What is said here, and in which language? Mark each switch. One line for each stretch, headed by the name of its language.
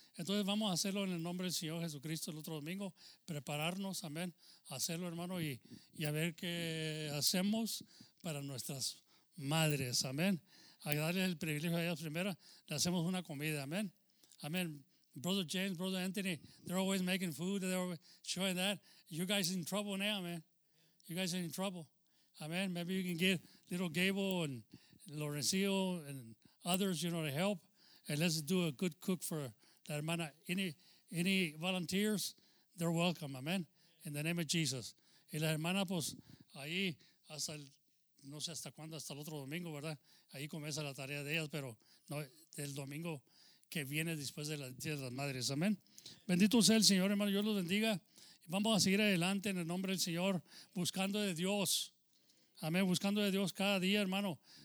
Spanish: Entonces vamos a hacerlo en el nombre del Señor Jesucristo el otro domingo. Prepararnos, amén, hacerlo, hermano, y a ver qué hacemos para nuestras madres, amén. A darles el privilegio a ellas primero, le hacemos una comida, amén.
English: Amén. Brother James, Brother Anthony, they're always making food, they're always showing that. You guys in trouble now, man. You guys are in trouble. Amén. Maybe you can get little Gable Lorenzo and others, you know, to help. And let's do a good cook for that hermana. Any volunteers, they're welcome, amen, in the name of Jesus.
Spanish: Y la hermana, pues, ahí hasta el, no sé hasta cuándo, hasta el otro domingo, ¿verdad? Ahí comienza la tarea de ellas, pero no, del domingo que viene después de la Día de las Madres, amén. Bendito sea el Señor, hermano, Dios los bendiga. Vamos a seguir adelante en el nombre del Señor, buscando de Dios, amén, buscando de Dios cada día, hermano.